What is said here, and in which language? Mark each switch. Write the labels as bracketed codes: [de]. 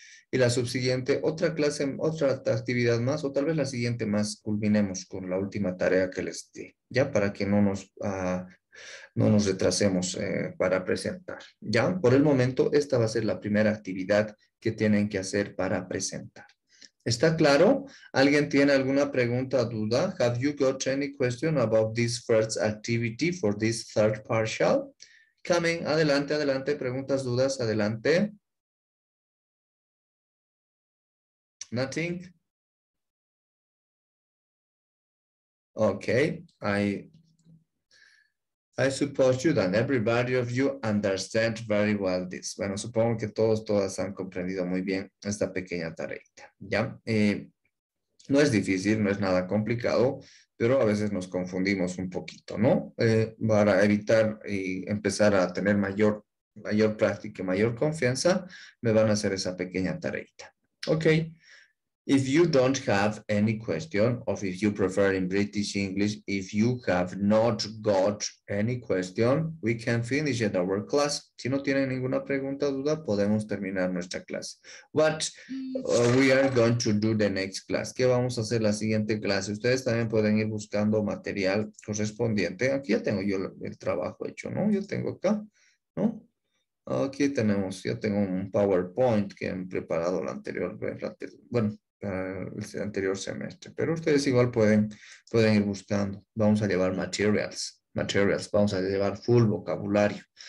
[es] Y la subsiguiente, otra clase, otra actividad más, o tal vez la siguiente más, culminemos con la última tarea que les di, ya para que no nos, no nos retrasemos para presentar. Ya, por el momento, esta va a ser la primera actividad que tienen que hacer para presentar. ¿Está claro? ¿Alguien tiene alguna pregunta, duda? [en] ¿Have you got any question about this first activity for this third partial? [es] Coming, adelante, adelante, preguntas, dudas, adelante. [en] Nothing. Okay, I suppose you and everybody of you understand very well this. [es] Bueno, supongo que todos, todas han comprendido muy bien esta pequeña tareita. Ya, no es difícil, no es nada complicado, pero a veces nos confundimos un poquito, ¿no? Para evitar y empezar a tener mayor práctica y mayor confianza, me van a hacer esa pequeña tareita. [en] Okay. If you don't have any question, or if you prefer in British English, if you have not got any question, we can finish at our class. [es] Si no tienen ninguna pregunta o duda, podemos terminar nuestra clase. [en] But we are going to do the next class. [es] ¿Qué vamos a hacer la siguiente clase? Ustedes también pueden ir buscando material correspondiente. Aquí ya tengo yo el trabajo hecho, ¿no? Yo tengo acá, ¿no? Aquí tenemos, ya tengo un PowerPoint que he preparado el anterior semestre. Pero ustedes igual pueden ir buscando. Vamos a llevar materials, vamos a llevar full vocabulario.